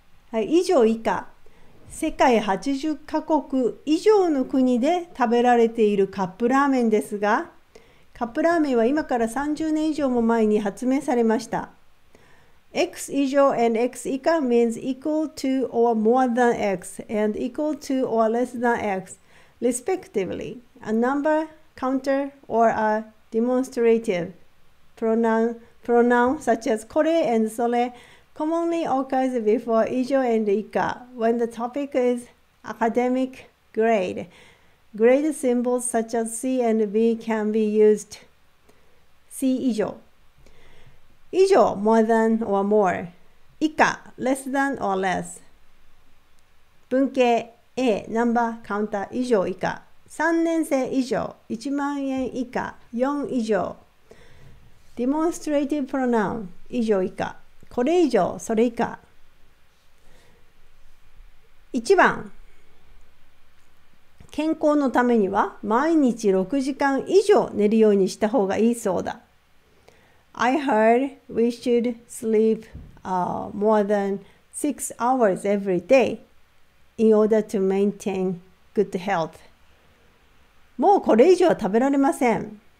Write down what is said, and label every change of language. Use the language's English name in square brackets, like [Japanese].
[Japanese] はい、以上以下。世界80カ国以上の国で食べられているカップラーメンですが、カップラーメンは今から30年以上も前に発明されました。 [English] X 以上 and X 以下 means equal to or more than X and equal to or less than X, respectively, a number, counter, or a demonstrative pronoun such as これ and それ commonly occurs before 以上 and 以下 when the topic is academic grade. Grade symbols such as C and B can be used. [Japanese] C 以上。以上、 [English] more than or more. [Japanese] 以下、 [English] less than or less. [Japanese] 文系 A、 [English] number, counter, [Japanese] 以上、以下。3年生以上、1万円以下、4以上。 [English] Demonstrative pronoun, [Japanese] 以上、以下。これ以上、それ以下。 1番。健康のためには毎日6時間以上寝るようにした方がいいそうだ。 [English] I heard we should sleep more than 6 hours every day in order to maintain good health. [Japanese] もうこれ以上は食べられません。